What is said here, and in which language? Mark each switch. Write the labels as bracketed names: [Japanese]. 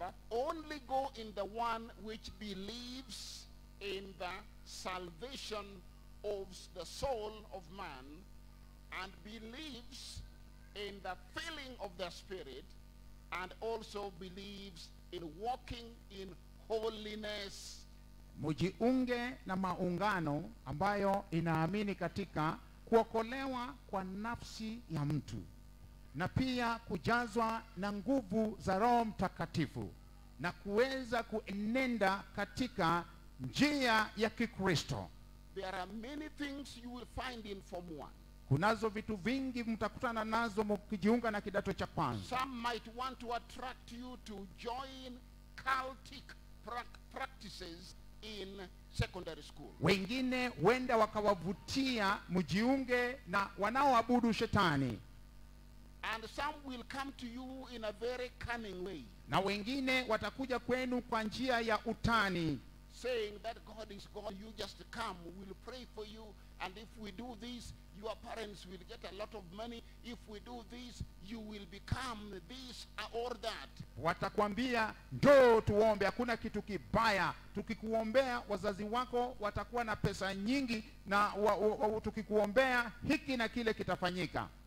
[English] But only go in the one which believes in the salvation of the soul of man and believes in the filling of the spirit and also believes in walking in holiness. [Swahili] Mujiunge na maungano ambayo inaamini katika kuokolewa kwa nafsi ya mtu na pia kujazwa na nguvu za Roho Mtakatifu na kuweza kuenenda katika njia ya Kikristo. [English] There are many things you will find in form 1. [Swahili] Kunazo vitu vingi mtakutana nazo mkijiunga na kidato cha kwanza. [English] Some might want to attract you to join cultic practices in secondary school. [Swahili] Wengine wenda wakawavutia mjiunge na wanaoabudu shetani. [English] And some will come to you in a very cunning way. [Swahili] Na wengine watakuja kwenu kwa njia ya utani. [English] Saying that God is God, you just come, we'll pray for you, and if we do this, your parents will get a lot of money. If we do this, you will become this or that. [Swahili] Watakwambia, ndio tuombe, hakuna kitu kibaya. Tukikuombea, wazazi wako watakuwa na pesa nyingi, na tukikuombea, hiki na kile kitafanyika.